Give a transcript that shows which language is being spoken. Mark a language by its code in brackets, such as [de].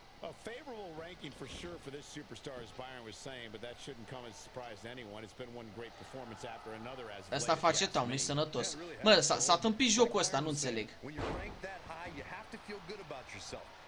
[en] A favorable ranking for sure for this superstar, as Byron was saying, but that shouldn't come as a surprise to anyone. It's been one great performance after another as late. [ro] Asta face tău, nu-i sănătos. Mă, s-a tâmpit jocul ăsta, nu înțeleg. [en] When you rank that high, you have to feel good about yourself.